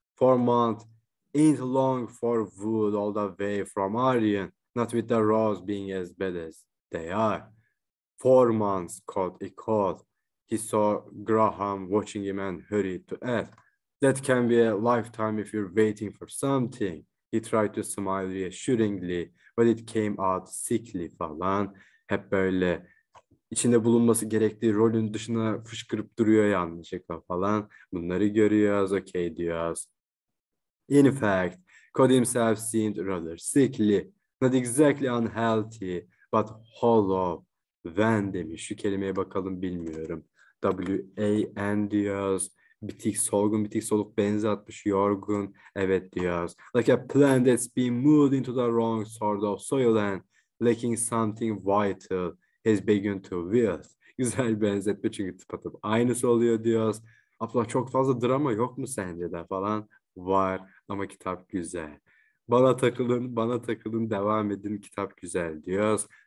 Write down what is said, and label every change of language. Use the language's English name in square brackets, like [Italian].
[English] 4 months ain't long for wood all the way from Aryan, not with the roads being as bad as they are. 4 months, Cot echoed. He saw Graham watching him and hurried to add. That can be a lifetime if you're waiting for something. He tried to smile reassuringly, but it came out sickly falan. [Turkish] Hep böyle içinde bulunması gerektiği rolün dışına fışkırıp duruyor yanlışlıkla falan. Bunları görüyoruz, okay diyoruz. [English] In fact, Cod himself seemed rather sickly. Not exactly unhealthy, but hollow. [Turkish] Van demiş. Şu kelimeye bakalım bilmiyorum. W-A-N diyoruz. Bitik solgun, bitik soluk benzi atmış, yorgun. Evet diyoruz. [English] Like a plant that's been moved into the wrong sort of soil and lacking something vital has begun to wilt. [Turkish] Güzel benzetme çünkü tıpatıp aynısı oluyor diyoruz. Abdullah çok fazla drama yok mu sence de falan? Var ama kitap güzel. Bana takılın, bana takılın, devam edin, kitap güzel diyoruz.